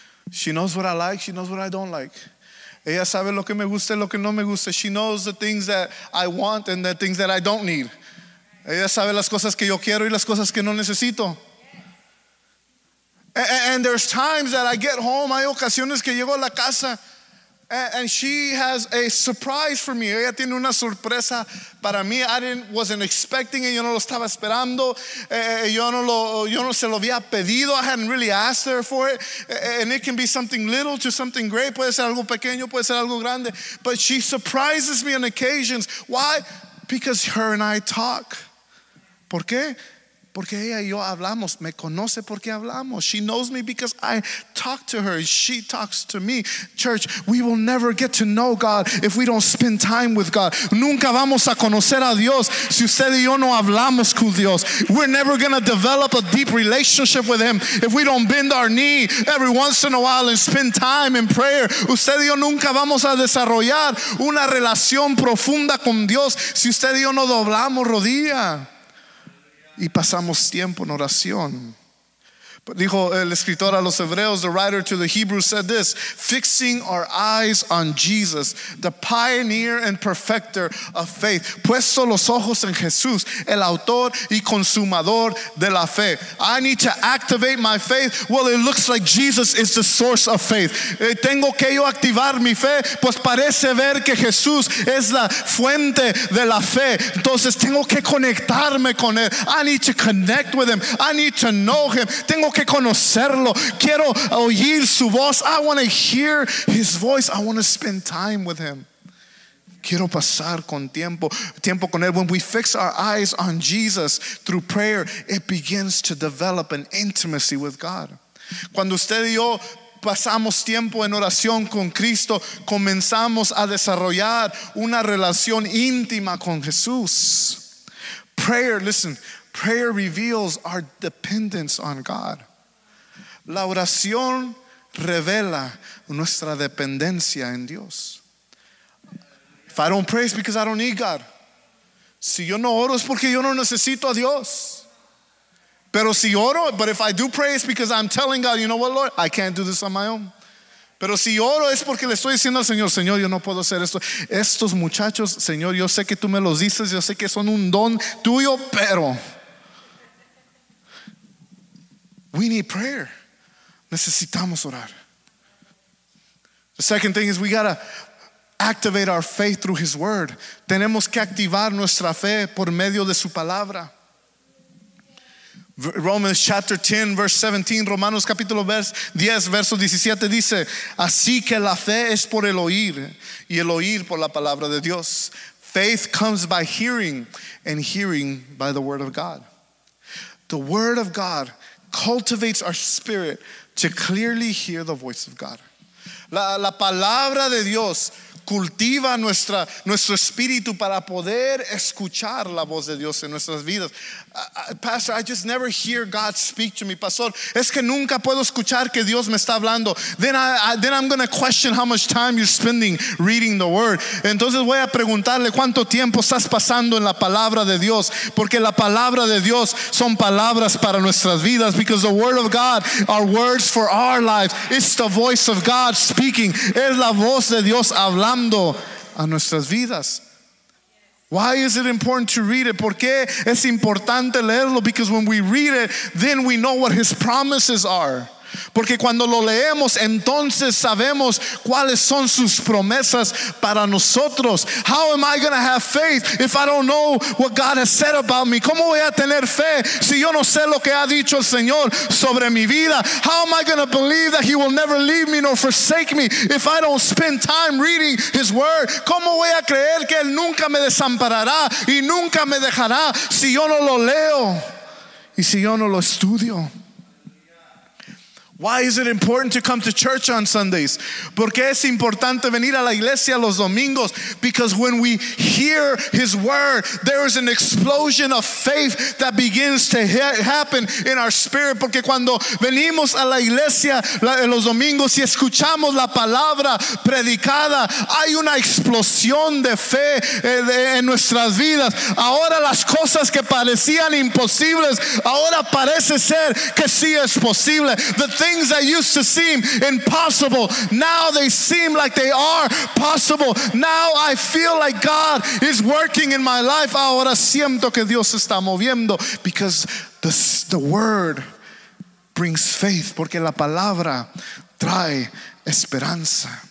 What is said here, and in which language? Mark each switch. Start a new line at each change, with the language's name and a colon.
English: She knows what I like, she knows what I don't like.
Spanish: Ella sabe lo que me gusta y lo que no me gusta.
English: She knows the things that I want and the things that I don't need.
Spanish: Ella sabe las cosas que yo quiero y las cosas que no necesito.
English: And there's times that I get home,
Spanish: hay ocasiones que llego a la casa,
English: and she has a surprise for me.
Spanish: Ella tiene una sorpresa para mí.
English: Wasn't expecting it.
Spanish: Yo no lo estaba esperando. Yo no se lo había pedido.
English: I hadn't really asked her for it. And it can be something little to something great.
Spanish: Puede ser algo pequeño, puede ser algo grande.
English: But she surprises me on occasions. Why? Because her and I talk.
Spanish: ¿Por qué? Porque ella y yo hablamos, me conoce porque hablamos.
English: She knows me because I talk to her. She talks to me. Church, we will never get to know God if we don't spend time with God.
Spanish: Nunca vamos a conocer a Dios si usted y yo no hablamos con Dios.
English: We're never going to develop a deep relationship with Him if we don't bend our knee every once in a while and spend time in prayer.
Spanish: Usted y yo nunca vamos a desarrollar una relación profunda con Dios si usted y yo no doblamos rodilla. Y pasamos tiempo en oración. Dijo el escritor a los Hebreos,
English: the writer to the Hebrews said this: fixing our eyes on Jesus, the pioneer and perfecter of faith.
Spanish: Puesto los ojos en Jesús, el autor y consumador de la fe.
English: I need to activate my faith. Well, it looks like Jesus is the source of faith.
Spanish: Tengo que yo activar mi fe, pues parece ver que Jesús es la fuente de la fe. Entonces tengo que conectarme con él.
English: I need to connect with him. I need to know him.
Spanish: Tengo que conocerlo. Quiero oír su voz.
English: I want to hear his voice. I want to spend time with him.
Spanish: Quiero pasar con tiempo con él.
English: When we fix our eyes on Jesus through prayer, it begins to develop an intimacy with God.
Spanish: Cuando usted y yo pasamos tiempo en oración con Cristo, comenzamos a desarrollar una relación íntima con Jesús.
English: Prayer, listen. Prayer reveals our dependence on God.
Spanish: La oración revela nuestra dependencia en Dios.
English: If I don't pray, it's because I don't need God.
Spanish: Si yo no oro, es porque yo no necesito a Dios. Pero si oro,
English: but if I do pray, it's because I'm telling God, you know what, Lord, I can't do this on my own.
Spanish: Pero si oro es porque le estoy diciendo al Señor, Señor, yo no puedo hacer esto. Estos muchachos, Señor, yo sé que tú me los dices, yo sé que son un don tuyo, pero...
English: We need prayer.
Spanish: Necesitamos orar.
English: The second thing is we gotta activate our faith through His Word.
Spanish: Tenemos que activar nuestra fe por medio de su palabra.
English: Romans chapter 10, verse 17.
Spanish: Romanos capítulo 10, verso 17 dice: así que la fe es por el oír, y el oír por la palabra de Dios.
English: Faith comes by hearing, and hearing by the Word of God. The Word of God cultivates our spirit to clearly hear the voice of God.
Spanish: La palabra de Dios cultiva nuestro espíritu para poder escuchar la voz de Dios en nuestras vidas.
English: Pastor, I just never hear God speak to me.
Spanish: Pastor, es que nunca puedo escuchar que Dios me está hablando.
English: Then I'm going to question how much time you're spending reading the word.
Spanish: Entonces voy a preguntarle cuánto tiempo estás pasando en la palabra de Dios, porque la palabra de Dios son palabras para nuestras vidas.
English: Because the word of God are words for our lives. It's the voice of God speaking.
Spanish: Es la voz de Dios hablando a nuestras vidas.
English: Why is it important to read it?
Spanish: ¿Por qué es importante leerlo?
English: Because when we read it, then we know what his promises are.
Spanish: Porque cuando lo leemos, entonces sabemos cuáles son sus promesas para nosotros.
English: How am I going to have faith if I don't know what God has said about me?
Spanish: ¿Cómo voy a tener fe si yo no sé lo que ha dicho el Señor sobre mi vida?
English: How am I going to believe that he will never leave me nor forsake me if I don't spend time reading his word?
Spanish: ¿Cómo voy a creer que él nunca me desamparará y nunca me dejará si yo no lo leo y si yo no lo estudio?
English: Why is it important to come to church on Sundays?
Spanish: Porque es importante venir a la iglesia los domingos.
English: Because when we hear his word, there is an explosion of faith that begins to happen in our spirit.
Spanish: Porque cuando venimos a la iglesia los domingos y escuchamos la palabra predicada, hay una explosión de fe en nuestras vidas. Ahora las cosas que parecían imposibles, ahora parece ser que sí es posible.
English: Things that used to seem impossible, now they seem like they are possible. Now I feel like God is working in my life.
Spanish: Ahora siento que Dios está moviendo.
English: Because the word brings faith.
Spanish: Porque la palabra trae esperanza.